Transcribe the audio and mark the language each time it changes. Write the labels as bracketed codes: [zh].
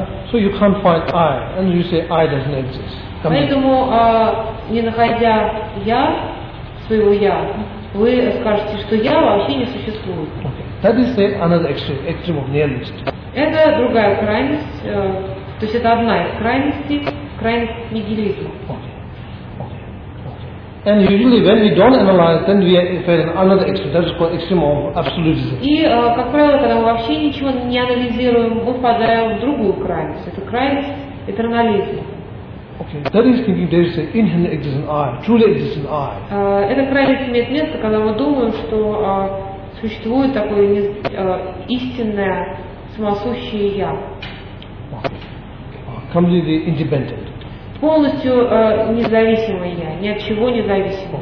[en] So you can't find I, and you say I doesn't exist. [ru] Поэтому, не находя я, своего я, вы скажете, что я вообще не существует. [en] That is another extreme of nihilism. [ru] Это другая крайность, то есть это одна из крайностей, крайность нигилизма. [en] And usually, when we don't analyze, then we are in another extreme. That is called extreme of absolutism. [ru] И как правило, когда мы вообще ничего не анализируем, мы впадаем в другую крайность. Это крайность этернализма. [en] Okay, that is thinking there is an inherent existent I, truly existent I. [ru] Это крайность имеет место, когда мы думаем, что существует такое истинное самосущее я. [en] Completely independent. [ru] Полностью независимое я, ни от чего независимое.